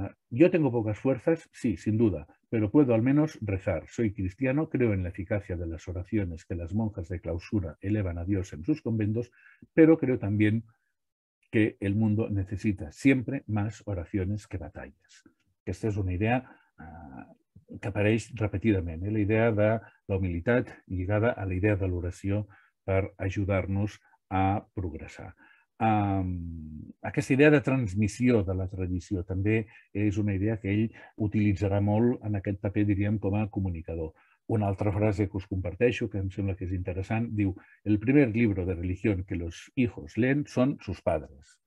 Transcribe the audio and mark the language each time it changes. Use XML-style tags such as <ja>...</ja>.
<es>Yo tengo pocas fuerzas, sí, sin duda, pero puedo al menos rezar. Soy cristiano, creo en la eficacia de las oraciones que las monjas de clausura elevan a Dios en sus conventos, pero creo también que el mundo necesita siempre más oraciones que batallas.</es> <ca>Aquesta és una idea que apareix repetidament, la idea de la humilitat lligada a la idea de l'oració per ajudar-nos a progressar. Aquesta idea de transmissió de la tradició també és una idea que ell utilitzarà molt en aquest paper, diríem, com a comunicador. Una altra frase que us comparteixo, que em sembla que és interessant, diu:</ca> <es>el primer libro de religión que los hijos leen son sus padres.</es>